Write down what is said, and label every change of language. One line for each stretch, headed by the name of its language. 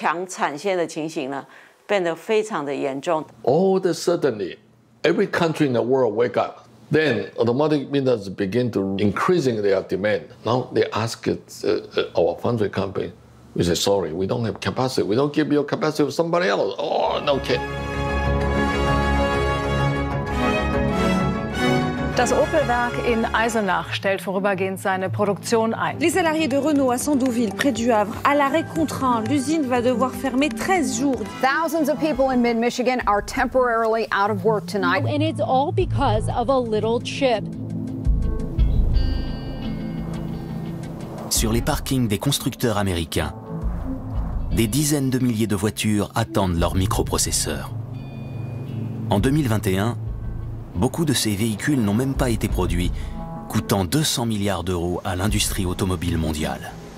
Chinese: 所以到2020年的下半年的时候，他发现他的需求突然上来以后，他想要增加订单，但是所有的产线不仅持平而已，还一直增加，所以就变成这样的互相抢产线的情形呢，变得非常的严重。
English: All of a sudden, every country in the world wake up. Then automotive vendors begin to increasing their demand. Now they ask our foundry company, we say, sorry, we don't have capacity. We don't give you capacity to somebody else. Oh, no kidding.
German: Das Opel-Werk in Eisenach stellt vorübergehend seine Produktion ein.
French: Les salariés de Renault à Sandouville, près du Havre, à l'arrêt contraint, l'usine va devoir fermer 13 jours.
English: Thousands of people in mid-Michigan are temporarily out of work tonight. And it's all because of a little chip.
French: Sur les parkings des constructeurs américains, des dizaines de milliers de voitures attendent leurs microprocesseurs. En 2021, beaucoup de ces véhicules n'ont même pas été produits, coûtant 200 milliards d'euros à l'industrie automobile mondiale.